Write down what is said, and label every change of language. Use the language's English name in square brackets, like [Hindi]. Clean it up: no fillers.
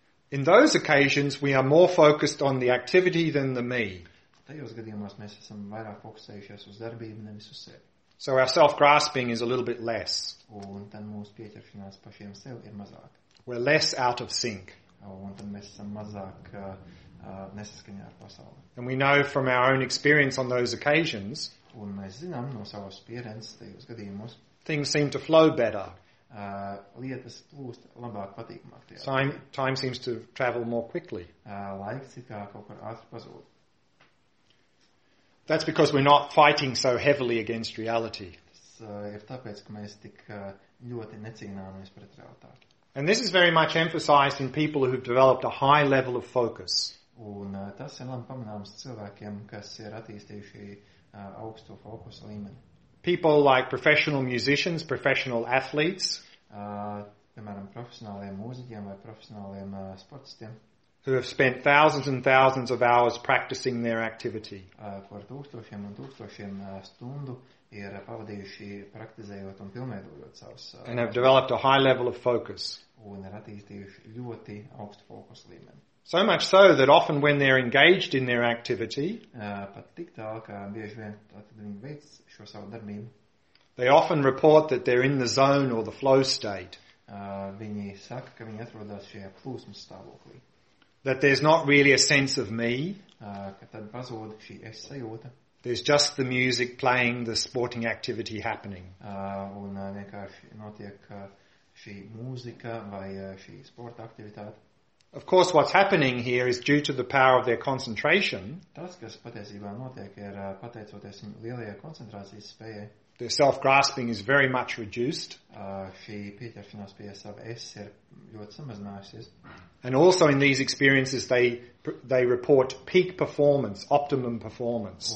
[English] In those occasions, we are more focused on the activity than the me. [Latvian] Tajos gadījumos mēs esam vairāk fokusējušies uz darbību, nevis uz sevi. [English] So our self-grasping is a little bit less. [Latvian] Un tad mūsu pieķeršanās pašiem sev ir mazāk. [English] We're less out of sync. [Latvian] Un tad mēs esam mazāk nesaskaņā ar pasauli. [English] And we know from our own experience on those occasions, [Latvian] un mēs zinām no savas pieredzes tajos gadījumos, [English] things seem to flow better. [Latvian] Lietas plūst labāk, patīkamāk. [English] Time seems to travel more quickly. [Latvian] Laiks it kā kaut kur ātri pazūd. [English] That's because we're not fighting so heavily against reality. [Latvian] Ir tāpēc, ka mēs tik ļoti necīnāmies pret realitāti. [English] And this is very much emphasized in people who have developed a high level of focus. [Latvian] Un tas ir labi pamanāms cilvēkiem, kas ir attīstījuši augstu fokusa līmeni. [English] People like professional musicians, professional athletes, [Latvian] piemēram, profesionāliem mūziķiem vai profesionāliem sportistiem, [English] who have spent thousands and thousands of hours practicing their activity. [Latvian] Par tūkstošiem un tūkstošiem stundu ir pavadījuši praktizējot un pilnveidojot savus. [English] And have developed a high level of focus. [Latvian] Un ir attīstījuši ļoti augstu fokusa līmeni. [English] So much so that often when they're engaged in their activity, [Latvian] pat tik tālu, ka bieži vien tad viņi veic šo savu darbību, [English] they often report that they're in the zone or the flow state. [Latvian] Viņi saka, ka viņi atrodas šajā plūsmas stāvoklī. [English] That there's not really a sense of me. [Latvian] Ka tad pazūd šī es sajūta. [English] There's just the music playing, the sporting activity happening. [Latvian] Un vienkārši notiek šī mūzika vai šī sporta aktivitāte. [English] Of course, what's happening here is due to the power of their concentration. [Latvian] Tas, kas patiesībā notiek, ir pateicoties viņu lielajai koncentrācijas spējai. [English] Their self-grasping is very much reduced. [Latvian] Šī pieķeršanās pie sava es ir ļoti samazinājusies. [English] And also in these experiences they report peak performance, optimum performance.